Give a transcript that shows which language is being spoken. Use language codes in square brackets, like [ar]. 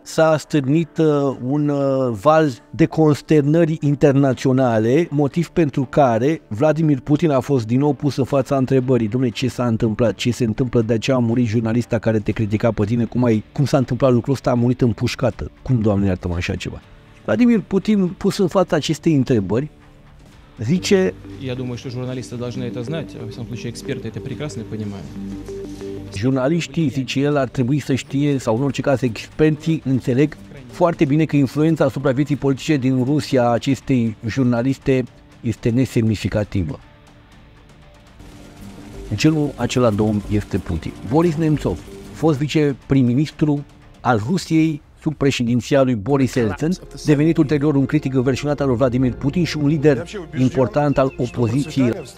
[ro] S-a stârnit un val de consternări internaționale, motiv pentru care Vladimir Putin a fost din nou pus în fața întrebării. Dom'le, ce s-a întâmplat? Ce se întâmplă? De aceea a murit jurnalista care te critica pe tine? Cum s-a întâmplat lucrul ăsta? A murit împușcată. Cum, Doamne, iartă-mă așa ceva? Vladimir Putin, pus în fața acestei întrebări, zice: [ru] я думаю, что журналисты должны это знать, в самом случае эксперты это прекрасно понимают. [ro] Журналисты, zice el, ar trebui să știe, sau în orice caz experții înțeleg foarte bine că influența asupra vieții politice din Rusia a acestei jurnaliste este nesemnificativă. Celul acela domn este Putin. Boris Nemtsov, fost viceprim-ministru al Rusiei sub președinția lui Boris Yeltsin, devenit ulterior un critic înversionat al lui Vladimir Putin și un lider important al opoziției.